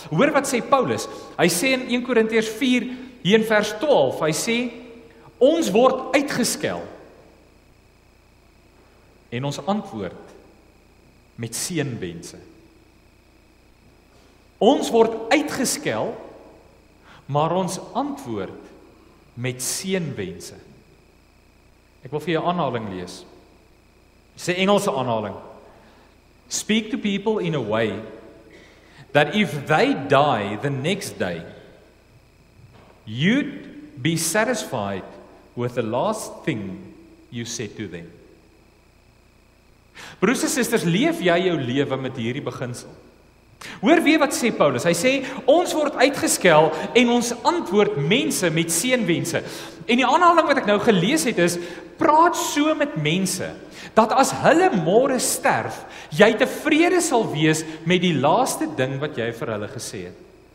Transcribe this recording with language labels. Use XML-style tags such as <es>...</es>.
<af>Hoor wat sê Paulus. Hy sê in 1 Korintiërs 4, hier in vers 12, hy sê, ons word uitgeskel en ons antwoord met seënwense. Ons word uitgeskel, maar ons antwoord met seënwense. Ek wil vir jou aanhaling lees. Dis 'n Engelse aanhaling.</af> <en>Speak to people in a way that if they die the next day, you'd be satisfied with the last thing you said to them.</en> <af>Broers en susters, leef jy jou lewe met hierdie beginsel? Hoor weer wat sê Paulus. Hy sê, ons word uitgeskel en ons antwoord mense met seënwense. En die aanhaling wat ek nou gelees het is, praat so met mense, dat as hulle môre sterf, jy tevrede sal wees met die laaste ding wat jy vir hulle gesê het.</af>